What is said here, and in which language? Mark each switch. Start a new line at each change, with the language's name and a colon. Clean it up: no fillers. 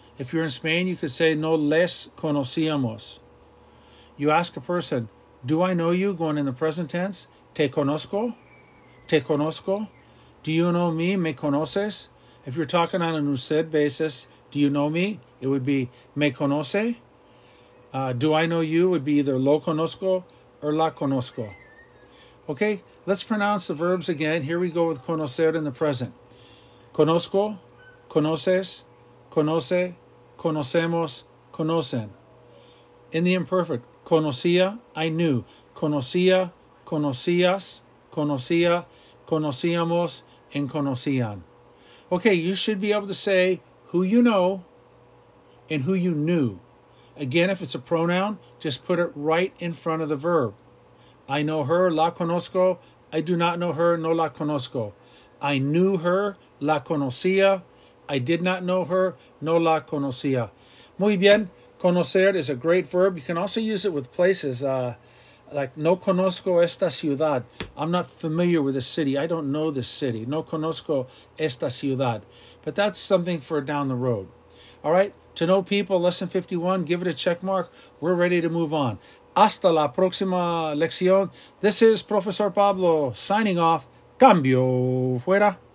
English: If you're in Spain, you could say
Spanish: no les conocíamos.
English: You ask a person, do I know you? Going in the present tense,
Spanish: te conozco, te conozco.
English: Do you know me?
Spanish: Me conoces.
English: If you're talking on an usted basis, do you know me? It would be
Spanish: me conoce.
English: Do I know you? Would be either
Spanish: lo conozco or la conozco.
English: Okay, let's pronounce the verbs again. Here we go with conocer in the present.
Spanish: Conozco, conoces, conoce, conocemos, conocen.
English: In the imperfect, conocía, I knew.
Spanish: Conocía, conocías, conocía, conocíamos, and conocían.
English: Okay, you should be able to say who you know and who you knew. Again, if it's a pronoun, just put it right in front of the verb. I know her,
Spanish: la conozco,
English: I do not know her,
Spanish: no la conozco.
English: I knew her,
Spanish: la conocía.
English: I did not know her,
Spanish: no la conocía. Muy bien,
English: conocer is a great verb. You can also use it with places, like
Spanish: no conozco esta ciudad.
English: I'm not familiar with this city. I don't know this city.
Spanish: No conozco esta ciudad.
English: But that's something for down the road. All right, to know people, lesson 51, give it a check mark. We're ready to move on.
Spanish: Hasta la próxima lección.
English: This is Profesor Pablo signing off.
Spanish: Cambio fuera.